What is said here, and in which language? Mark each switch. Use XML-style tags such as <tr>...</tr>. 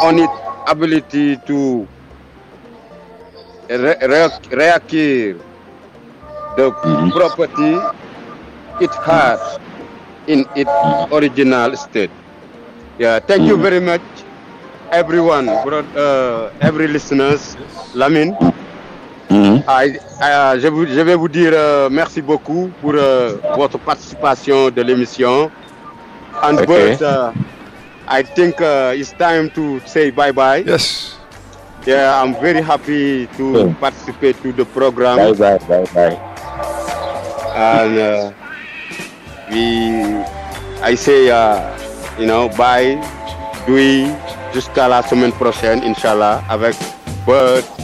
<en>on its ability to reacquire the mm-hmm. property it has in its mm-hmm. original state. Yeah, thank mm-hmm. you very much, everyone, every listeners, Lamine. Mmh.</en> <fr>Je vais vous dire merci beaucoup pour votre participation de l'émission.</fr> <en>And okay. Bert, I think it's time to say bye bye. Yes. Yeah, I'm very happy to participate to the program. Bye bye bye bye. And I say bye,</en> <fr>Dwi, jusqu'à la semaine prochaine, Inch'Allah, avec Bert.</fr>